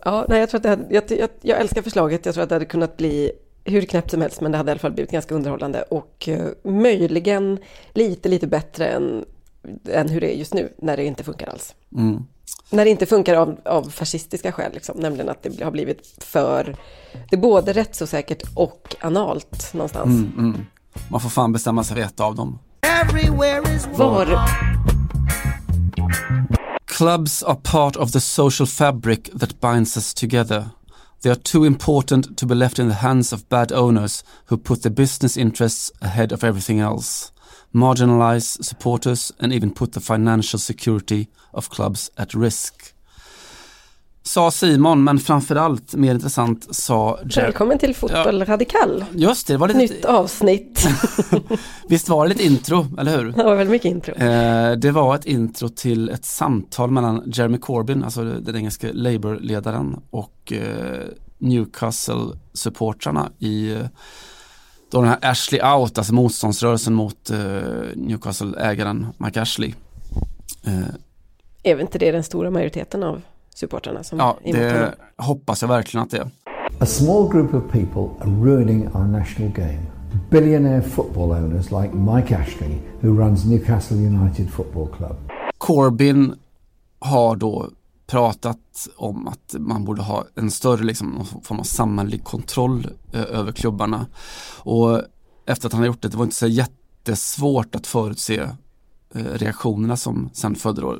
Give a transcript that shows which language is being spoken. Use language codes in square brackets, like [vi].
[sv] Ja, nej, jag tror att jag älskar förslaget. Jag tror att det hade kunnat bli hur knäppt som helst, men det hade i alla fall blivit ganska underhållande och möjligen lite bättre än hur det är just nu, när det inte funkar alls. Mm. När det inte funkar av fascistiska skäl, liksom, nämligen att det har blivit för, det är både rättsosäkert och analt någonstans. Mm, mm. Man får fan bestämma sig rätt av dem. Var? [en] Clubs are part of the social fabric that binds us together. They are too important to be left in the hands of bad owners who put their business interests ahead of everything else, marginalize supporters and even put the financial security of clubs at risk. [sv] Sa Simon, men framförallt mer intressant sa Jerry. Välkommen till Fotboll Radikal. Just det, var lite nytt avsnitt. Visst var det lite intro, eller hur? Det var väldigt mycket intro. Det var ett intro till ett samtal mellan Jeremy Corbyn, alltså den engelska Labour-ledaren, och Newcastle-supportrarna i då den här Ashley Out, alltså motståndsrörelsen mot Newcastle-ägaren Mike Ashley. Är inte det den stora majoriteten av supporterna som hoppas jag verkligen att det är. [en] A small group of people are ruining our national game. Billionaire football owners like Mike Ashley who runs Newcastle United Football Club. [sv] Corbyn har då pratat om att man borde ha en större liksom någon form av samhällelig kontroll över klubbarna. Och efter att han har gjort det. Det var inte så jättesvårt att förutse reaktionerna som sen födde då.